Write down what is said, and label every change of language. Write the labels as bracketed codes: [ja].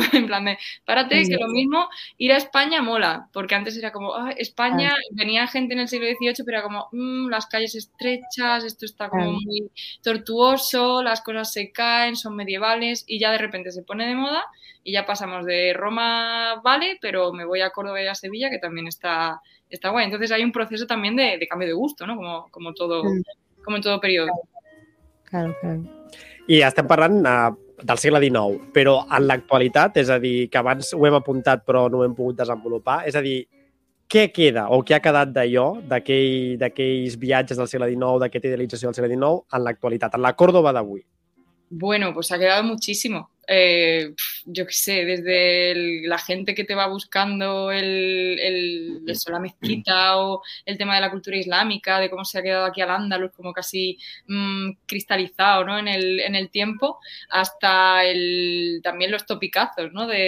[es] En plan de, párate, que lo mismo, ir a España mola, porque antes era como, ah, España, venía gente en el siglo XVIII, pero era como, las calles estrechas, esto está como muy tortuoso, las cosas se caen, son medievales, y ya de repente se pone de moda, y ya pasamos de Roma, vale, pero me voy a Córdoba y a Sevilla, que también está guay. Entonces hay un proceso también de cambio de gusto, ¿no? Como todo, como en todo periodo. Claro. Y ya están [ca] parlant del segle XIX, però en l'actualitat, és a dir, que abans ho hem apuntat però no ho hem pogut desenvolupar, és a dir, què queda o què ha quedat d'allò, d'aquells viatges del segle XIX, d'aquesta idealització del segle XIX, en l'actualitat, en la Córdoba d'avui? [es] Bueno, pues ha quedado muchísimo. Yo qué sé, desde la gente que te va buscando eso, la mezquita o el tema de la cultura islámica, de cómo se ha quedado aquí al Andalus como casi cristalizado, ¿no?, en el tiempo, hasta también los topicazos, ¿no?